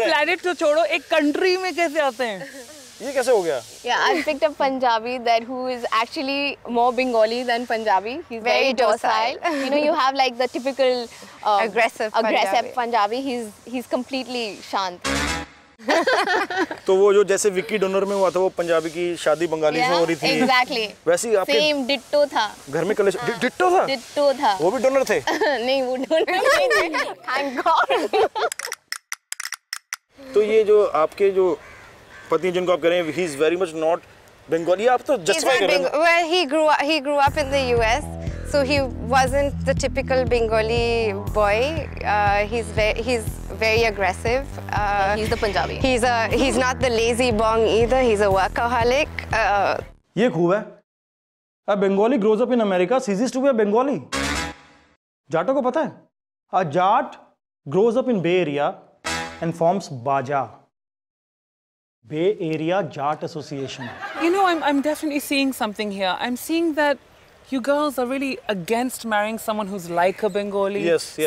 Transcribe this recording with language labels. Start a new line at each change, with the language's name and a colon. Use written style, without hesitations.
Hindi: रहे हैं. एक प्लैनेट तो छोड़ो, एक कंट्री में कैसे आते हैं? Ye kaise ho gaya?
English: Yeah, I picked a Punjabi that who is actually more Bengali than Punjabi. He's very docile. You know, you have like the typical aggressive Punjabi. He's completely shant.
Hindi: तो वो जो जैसे Vicky donor में हुआ था वो पंजाबी की शादी बंगाली से हो रही थी
English: exactly
Hindi: वैसे ही आपके
English: same ditto था
Hindi: घर में कलेश डिट्टो था वो भी डोनर थे नहीं वो डोनर नहीं थे
English: thank God
Hindi: तो ये जो आपके जो पति जिनको आप कह रहे हैं
English: he is very much not Bengali
Hindi: आप तो जस्टिफाई कर रहे हैं
English: Well he grew up in the US So he wasn't the typical Bengali boy. He's very aggressive. He's the Punjabi. He's not the lazy bong either. He's a workaholic.
Hindi: ये खूब है।
English: A Bengali grows up in America, ceases to be a Bengali.
Hindi: जाटों को पता है?
English: A Jat grows up in Bay Area and forms Baja. Bay Area Jat Association. You know, I'm definitely seeing something here. I'm seeing that. You girls are really against marrying someone who's like a Bengali. Yes, yes.